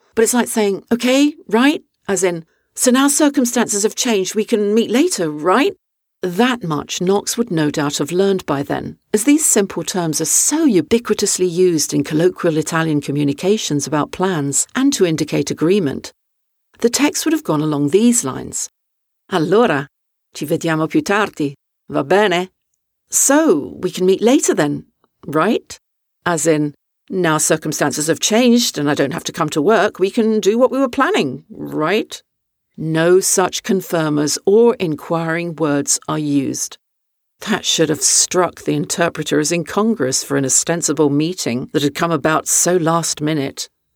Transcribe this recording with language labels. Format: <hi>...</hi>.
<en>But it's like saying, okay, right? As in, so now circumstances have changed, we can meet later, right? That much Knox would no doubt have learned by then, as these simple terms are so ubiquitously used in colloquial Italian communications about plans and to indicate agreement. The text would have gone along these lines.</en> <it>Allora, ci vediamo più tardi, va bene?</it> <en>So, we can meet later then, right? As in, now circumstances have changed and I don't have to come to work, we can do what we were planning, right? No such confirmers or inquiring words are used. That should have struck the interpreter as incongruous for an ostensible meeting that had come about so last minute.</en>